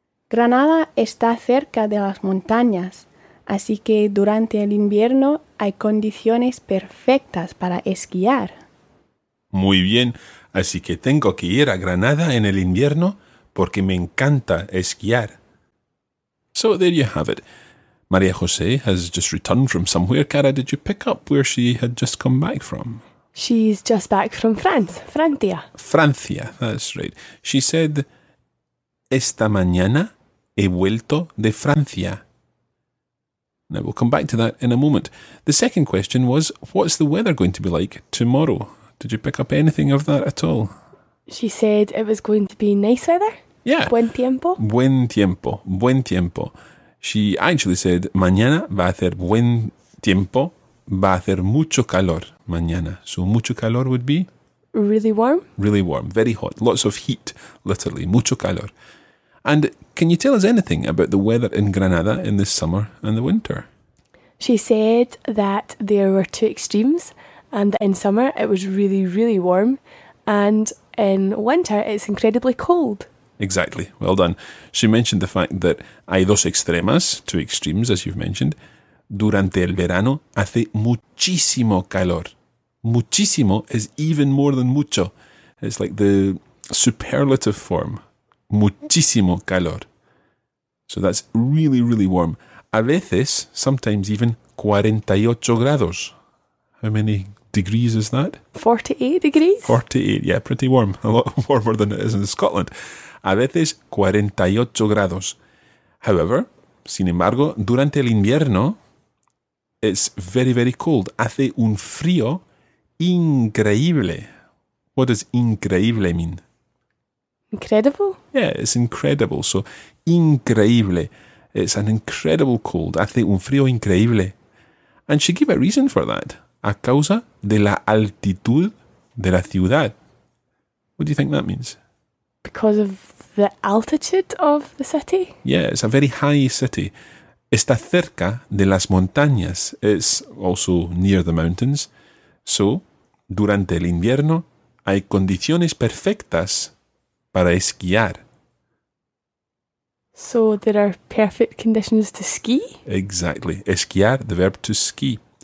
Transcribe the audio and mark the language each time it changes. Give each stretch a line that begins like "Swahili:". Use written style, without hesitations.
Spanish: Granada está cerca de las montañas, así que durante el invierno hay condiciones perfectas para esquiar. Muy bien, así que tengo que ir a Granada en el invierno porque me encanta esquiar.
English: So there you have it. María José has just returned from somewhere. Cara, did you pick up where she had just come back from? She's just back from France.
Spanish: Francia.
English: Francia, that's right. She said,
Spanish: esta mañana he vuelto de Francia.
English: Now we'll come back to that in a moment. The second question was, what's the weather going to be like tomorrow? Did you pick up anything of that at all? She said it was going to be nice weather. Yeah.
Spanish: Buen tiempo. Buen tiempo. Buen tiempo.
English: She actually said,
Spanish: mañana va a hacer buen tiempo, va a hacer mucho calor mañana.
English: So
Spanish: mucho calor
English: would be? Really warm. Really warm. Very hot. Lots of heat, literally.
Spanish: Mucho calor.
English: And can you tell us anything about the weather in Granada in the summer and the winter? She said that there were two extremes, and that in summer it was really, really warm, and in winter it's incredibly cold. Exactly. Well done. She mentioned the fact that
Spanish: hay dos extremas,
English: two extremes, as you've mentioned.
Spanish: Durante el verano hace muchísimo calor.
English: Muchísimo is even more than mucho. It's like the superlative form.
Spanish: Muchísimo calor.
English: So that's really, really warm.
Spanish: A veces,
English: sometimes even 48 grados. How many degrees is that? 48 degrees. 48, yeah, pretty warm. A lot warmer than it is in Scotland.
Spanish: A veces 48 grados.
English: However,
Spanish: sin embargo, durante el invierno,
English: it's very, very cold.
Spanish: Hace un frío increíble.
English: What does increíble mean? Incredible? Yeah, it's incredible. So, increíble. It's an incredible cold.
Spanish: Hace un frío increíble.
English: And she gave a reason for that.
Spanish: A causa de la altitud de la ciudad.
English: What do you think that means? Because of the altitude of the city? Yeah, it's a very high city.
Spanish: Está cerca de las montañas.
English: It's also near the mountains.
Spanish: So, durante el invierno, hay condiciones perfectas para esquiar.
English: So, there are perfect conditions to ski? Exactly. Esquiar, the verb to ski.